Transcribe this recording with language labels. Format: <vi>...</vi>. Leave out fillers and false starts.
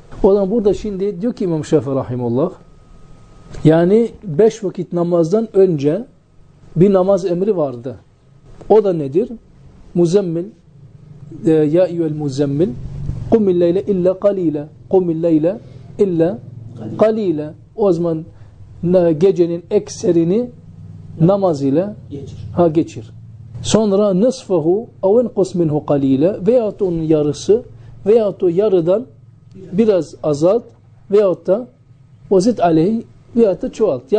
<tr>Olan burada şimdi diyor ki İmam Şafii rahimullah, yani beş vakit namazdan önce bir namaz emri vardı. O da nedir?</tr> <ar>Muzemmil, ya eyyühel muzemmil, قُمِ اللَّيْلَ اِلَّا قَلِيلًا قُمِ اللَّيْلَ اِلَّا قَلِيلًا.</ar> <tr>O zaman gecenin ekserini namaz ile geçir. Sonra</tr> <ar>nisfahu ev enqus minhu qalila,</ar> <tr>veyahut onun yarısı veyahut o yarıdan biraz azalt veyahut da</tr> <ar>vazit aleyhi</ar> <tr>veyahut da çoğalt.</tr>